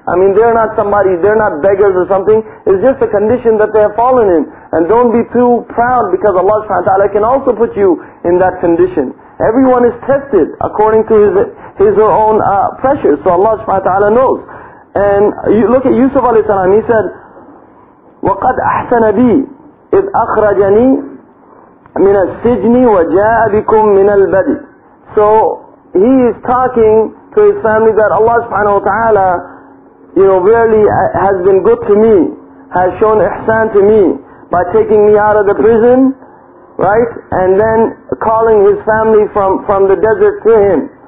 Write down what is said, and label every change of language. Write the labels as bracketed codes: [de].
[en] I mean, they're not beggars or something. It's just a condition that they have fallen in. And don't be too proud, because Allah subhanahu wa ta'ala can also put you in that condition. Everyone is tested according to his or own pressure. So Allah subhanahu wa ta'ala knows. And you look at Yusuf alayhi salam. He said, [ar] وَقَدْ أَحْسَنَ بِي إِذْ أَخْرَجَنِي مِنَ السِّجْنِ وَجَاءَ بِكُم مِنَ الْبَدِي. [en] So he is talking to his family that Allah subhanahu wa ta'ala, you know, really has been good to me, has shown ihsan to me by taking me out of the prison, right? And then calling his family from the desert to him.